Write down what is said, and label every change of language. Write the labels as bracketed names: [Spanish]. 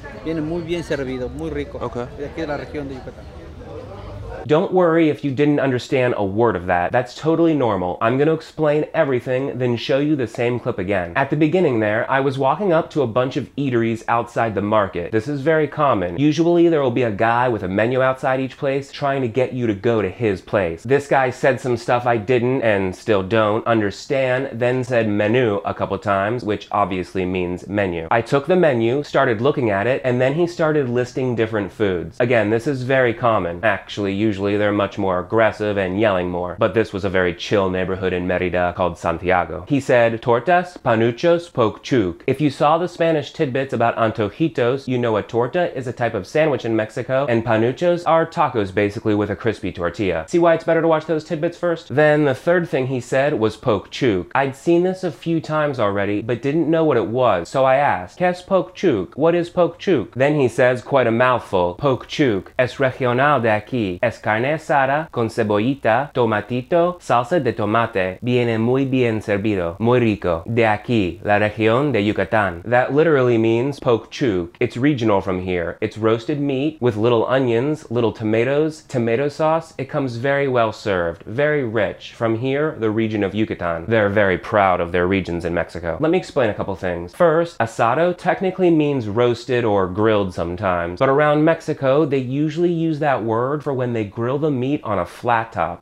[Spanish] Viene muy bien servido, muy rico. Okay. De aquí de la región de Yucatán. [English] Don't worry if you didn't understand a word of that. That's totally normal. I'm gonna explain everything, then show you the same clip again. At the beginning there, I was walking up to a bunch of eateries outside the market. This is very common. Usually there will be a guy with a menu outside each place trying to get you to go to his place. This guy said some stuff I didn't, and still don't, understand, then said menu a couple times, which obviously means menu. I took the menu, started looking at it, and then he started listing different foods. Again, this is very common. Actually, usually usually they're much more aggressive and yelling more. But this was a very chill neighborhood in Mérida called Santiago. He said, tortas, panuchos, pokchuk. If you saw the Spanish tidbits about antojitos, you know a torta is a type of sandwich in Mexico, and panuchos are tacos basically with a crispy tortilla. See why it's better to watch those tidbits first? Then the third thing he said was pokchuk. I'd seen this a few times already, but didn't know what it was. So I asked, [Spanish] ¿Qué es pokchuk? [English] What is pokchuk? Then he says quite a mouthful, [Spanish] pokchuk es regional de aquí. Es carne asada con cebollita, tomatito, salsa de tomate. Viene muy bien servido. Muy rico. De aquí, la región de Yucatán. [English] That literally means pokchuk. It's regional from here. It's roasted meat with little onions, little tomatoes, tomato sauce. It comes very well served, very rich. From here, the region of Yucatán. They're very proud of their regions in Mexico. Let me explain a couple things. First, asado technically means roasted or grilled sometimes, but around Mexico, they usually use that word for when they grill the meat on a flat top.